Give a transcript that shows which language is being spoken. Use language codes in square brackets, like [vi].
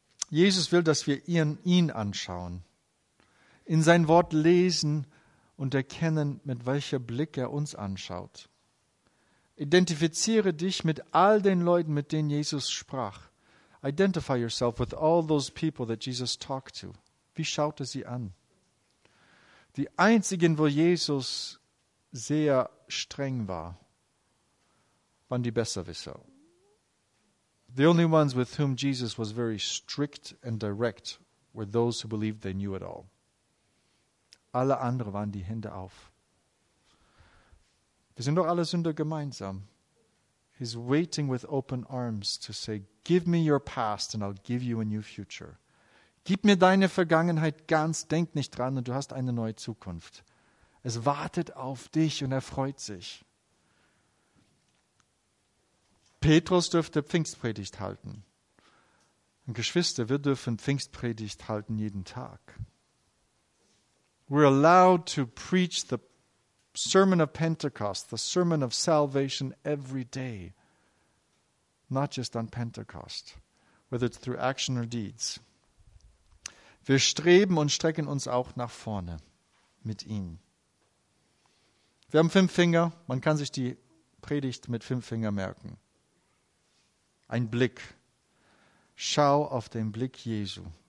[de] Jesus will, dass wir ihn anschauen. In sein Wort lesen und erkennen, mit welchem Blick er uns anschaut. Identifiziere dich mit all den Leuten, mit denen Jesus sprach. [en] Identify yourself with all those people that Jesus talked to. [de] Wie schaut er sie an? Die einzigen, wo Jesus sehr streng war, waren die Besserwisser. [en] The only ones with whom Jesus was very strict and direct were those who believed they knew it all. [de] Alle anderen waren die Hände auf. Wir sind doch alle Sünder gemeinsam. [en] He's waiting with open arms to say, give me your past and I'll give you a new future. [de] Gib mir deine Vergangenheit ganz, denk nicht dran und du hast eine neue Zukunft. Es wartet auf dich und er freut sich. Petrus dürfte Pfingstpredigt halten. Und Geschwister, wir dürfen Pfingstpredigt halten jeden Tag. [en] We're allowed to preach the sermon of Pentecost, the sermon of salvation every day, not just on Pentecost, whether it's through action or deeds. [de] Wir streben und strecken uns auch nach vorne mit ihm. Wir haben 5 Finger, man kann sich die Predigt mit 5 Finger merken. Ein Blick. Schau auf den Blick Jesu.